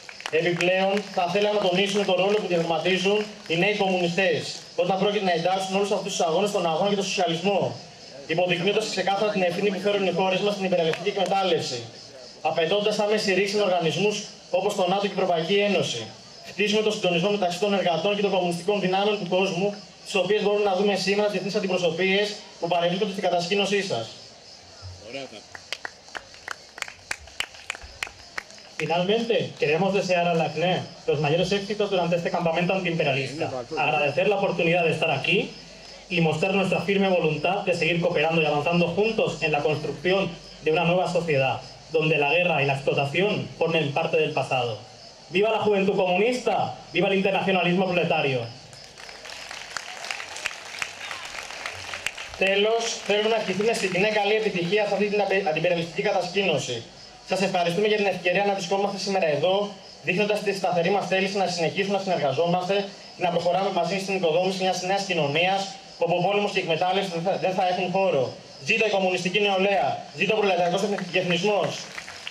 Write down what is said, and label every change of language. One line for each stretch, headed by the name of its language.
Greek: Επιπλέον, θα θέλαμε να τονίσουμε τον ρόλο που διαδραματίζουν οι νέοι κομμουνιστές όταν πρόκειται να εντάξουν όλους αυτούς τους αγώνες στον αγώνα για τον σοσιαλισμό, υποδεικνύοντας ξεκάθαρα την ευθύνη που φέρουν οι χώρες μας στην υπεραλευτική εκμετάλλευση, απαιτώντας άμεση ρήξη με οργανισμούς όπως το ΝΑΤΟ και η Ευρωπαϊκή Ένωση. Χτίζουμε τον συντονισμό μεταξύ των εργατών και των κομμουνιστικών δυνάμεων του κόσμου, στις οποίες μπορούμε να δούμε σήμερα τις διεθνείς αντιπροσωπείες που παρεμβαίνουν στην κατασκήνωσή σας.
Spanish: Finalmente, queremos desear a la CNE los mayores éxitos durante este campamento antiimperialista, agradecer la oportunidad de estar aquí y mostrar nuestra firme voluntad de seguir cooperando y avanzando juntos en la construcción de una nueva sociedad, donde la guerra y la explotación formen parte del pasado. ¡Viva la juventud comunista! ¡Viva el internacionalismo proletario!
Greek: Τέλος, θέλουμε να ευχηθούμε στην ΚΝΕ καλή επιτυχία σε αυτή την αντιπεριαλιστική κατασκήνωση. Σας ευχαριστούμε για την ευκαιρία να βρισκόμαστε σήμερα εδώ, δείχνοντας τη σταθερή μας θέληση να συνεχίσουμε να συνεργαζόμαστε και να προχωράμε μαζί στην οικοδόμηση μιας νέας κοινωνίας, όπου ο πόλεμος και η εκμετάλλευση δεν θα έχουν χώρο. Ζήτω η κομμουνιστική νεολαία! Ζήτω ο προλεταριακός εθνισμός!